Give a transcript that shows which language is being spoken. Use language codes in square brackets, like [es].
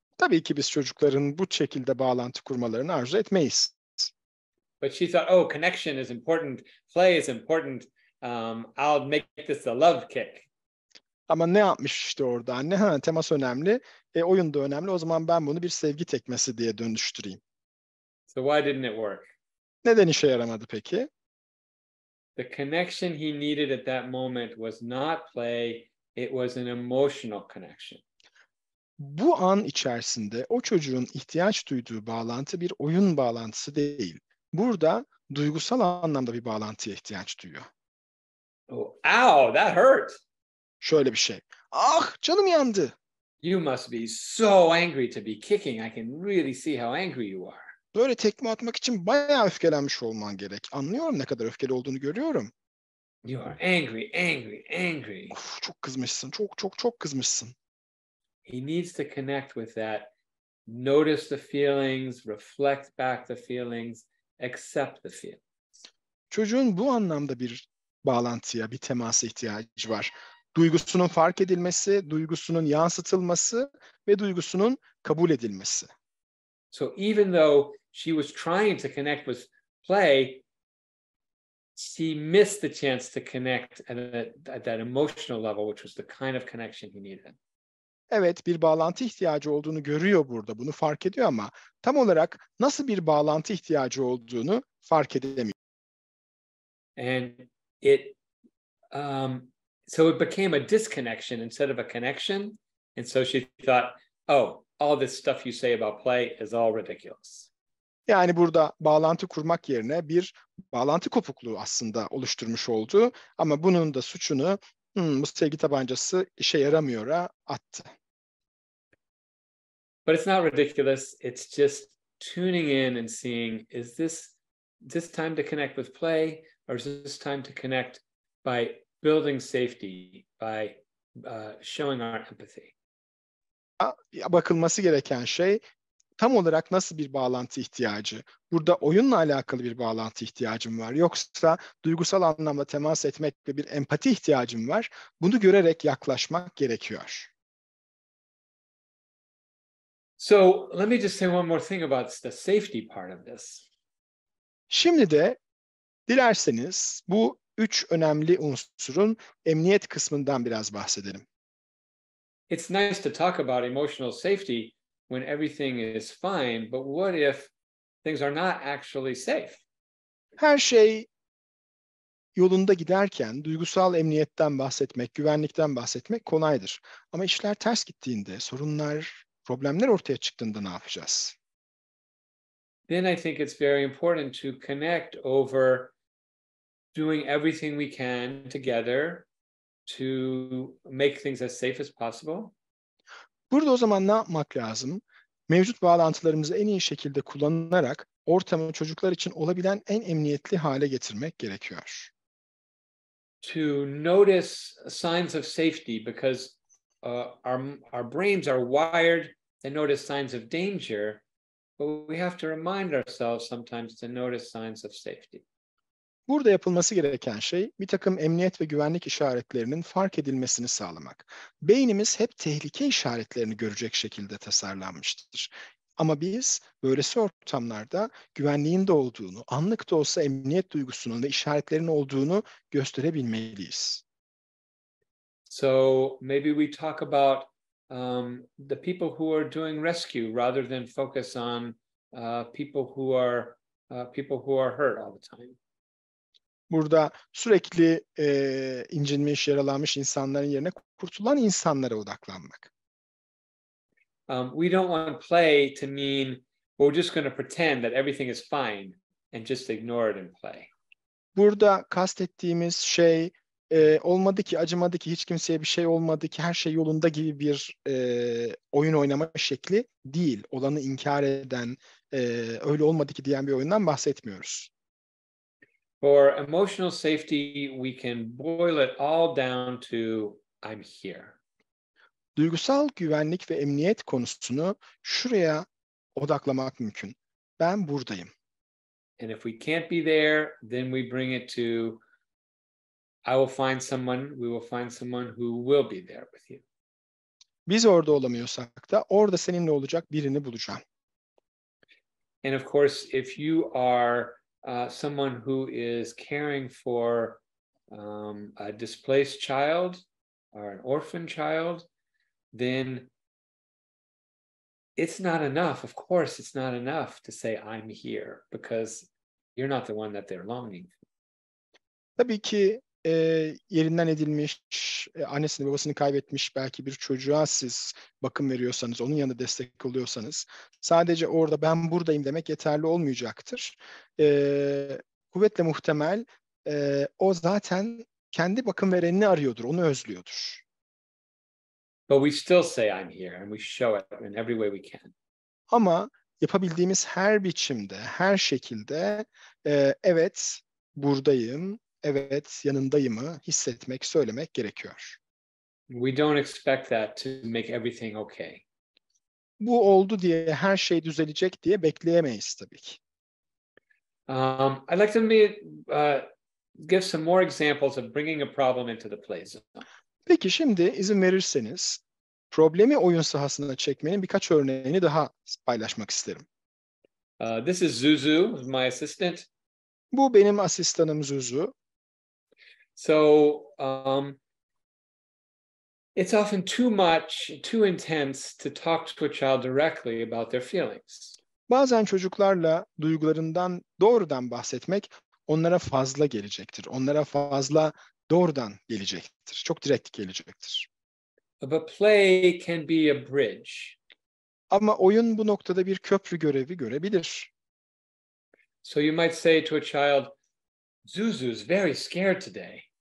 [tr] Tabii ki biz çocukların bu şekilde bağlantı kurmalarını arzu etmeyiz. [en] But she thought, oh, connection is important, play is important, I'll make this a love kick. [tr] Ama ne yapmış işte orada anne? Ha, temas önemli. Oyun da önemli. O zaman ben bunu bir sevgi tekmesi diye dönüştüreyim. [en] So why didn't it work? [tr] Neden işe yaramadı peki? [en] The connection he needed at that moment was not play. It was an emotional connection. [tr] Bu an içerisinde o çocuğun ihtiyaç duyduğu bağlantı bir oyun bağlantısı değil. Burada duygusal anlamda bir bağlantıya ihtiyaç duyuyor. [en] Oh, ow, that hurt. [tr] Şöyle bir şey. Ah, canım yandı. [en] You must be so angry to be kicking. I can really see how angry you are. [tr] Böyle tekme atmak için bayağı öfkelenmiş olman gerek. Anlıyorum ne kadar öfkeli olduğunu görüyorum. [en] You are angry, angry, angry. [tr] Of, çok kızmışsın. Çok çok çok kızmışsın. [en] He needs to connect with that. Notice the feelings, reflect back the feelings, accept the feelings. [tr] Çocuğun bu anlamda bir bağlantıya, bir temasa ihtiyacı var. Duygusunun fark edilmesi, duygusunun yansıtılması ve duygusunun kabul edilmesi. [en] So even though she was trying to connect with play, she missed the chance to connect at that emotional level, which was the kind of connection he needed. [tr] Evet, bir bağlantı ihtiyacı olduğunu görüyor burada, bunu fark ediyor ama tam olarak nasıl bir bağlantı ihtiyacı olduğunu fark edemiyor. [en] And it so it became a disconnection instead of a connection. And so she thought, oh, all this stuff you say about play is all ridiculous. [tr] Yani burada bağlantı kurmak yerine bir bağlantı kopukluğu aslında oluşturmuş oldu. Ama bunun da suçunu bu sevgi tabancası işe yaramıyor'a attı. [en] But it's not ridiculous. It's just tuning in and seeing, is this time to connect with play or is this time to connect by building safety by showing our empathy. [tr] Ya bakılması gereken şey tam olarak nasıl bir bağlantı ihtiyacı? Burada oyunla alakalı bir bağlantı ihtiyacım var. Yoksa duygusal anlamda temas etmek ve bir empati ihtiyacım var. Bunu görerek yaklaşmak gerekiyor. [en] So, let me just say one more thing about the safety part of this. [tr] Şimdi de dilerseniz bu üç önemli unsurun emniyet kısmından biraz bahsedelim. [en] It's nice to talk about emotional safety when everything is fine, but what if things are not actually safe? [tr] Her şey yolunda giderken duygusal emniyetten bahsetmek, güvenlikten bahsetmek kolaydır. Ama işler ters gittiğinde, sorunlar, problemler ortaya çıktığında ne yapacağız? [en] Then I think it's very important to connect over doing everything we can together to make things as safe as possible. [tr] Burada o zaman ne yapmak lazım? Mevcut bağlantılarımızı en iyi şekilde kullanarak ortamı çocuklar için olabilen en emniyetli hale getirmek gerekiyor. [en] To notice signs of safety because our brains are wired to notice signs of danger, but we have to remind ourselves sometimes to notice signs of safety. [tr] Burada yapılması gereken şey bir takım emniyet ve güvenlik işaretlerinin fark edilmesini sağlamak. Beynimiz hep tehlike işaretlerini görecek şekilde tasarlanmıştır. Ama biz böylesi ortamlarda güvenliğin de olduğunu, anlık da olsa emniyet duygusunun ve işaretlerin olduğunu gösterebilmeliyiz. [en] So maybe we talk about the people who are doing rescue rather than focus on people who are hurt all the time. [tr] Burada sürekli incinmiş, yaralanmış insanların yerine kurtulan insanlara odaklanmak. [en] We don't want play to mean we're just going to pretend that everything is fine and just ignore it and play. [tr] Burada kastettiğimiz şey olmadı ki, acımadı ki, hiç kimseye bir şey olmadı ki, her şey yolunda gibi bir oyun oynama şekli değil. Olanı inkar eden, öyle olmadı ki diyen bir oyundan bahsetmiyoruz. [en] For emotional safety, we can boil it all down to I'm here. [tr] Duygusal güvenlik ve emniyet konusunu şuraya odaklamak mümkün. Ben buradayım. [en] And if we can't be there, then we bring it to I will find someone, we will find someone who will be there with you. [tr] Biz orada olamıyorsak da orada seninle olacak birini bulacağım. [en] And of course, if you are someone who is caring for a displaced child or an orphan child, then it's not enough. Of course, it's not enough to say I'm here because you're not the one that they're longing for. [tr] Tabii ki yerinden edilmiş, annesini babasını kaybetmiş belki bir çocuğa siz bakım veriyorsanız, onun yanında destek oluyorsanız, sadece orada ben buradayım demek yeterli olmayacaktır. Kuvvetle muhtemel o zaten kendi bakım verenini arıyordur, onu özlüyordur. [en] But we still say I'm here and we show it in every way we can. [tr] Ama yapabildiğimiz her biçimde, her şekilde evet buradayım, evet yanındayımı hissetmek, söylemek gerekiyor. [en] We don't expect that to make everything okay. [tr] Bu oldu diye her şey düzelecek diye bekleyemeyiz tabii ki. [en] I'd like to give some more examples of bringing a problem into the play zone. [tr] Peki şimdi izin verirseniz problemi oyun sahasına çekmenin birkaç örneğini daha paylaşmak isterim. [en] This is Zuzu, my assistant. [tr] Bu benim asistanım Zuzu. [en] So, it's often too much, too intense to talk to a child directly about their feelings. [tr] Bazen çocuklarla duygularından doğrudan bahsetmek onlara fazla gelecektir. Onlara fazla doğrudan gelecektir. Çok direkt gelecektir. [en] But play can be a bridge. [tr] Ama oyun bu noktada bir köprü görevi görebilir. [en] So you might say to a child, Zuzu's very scared today.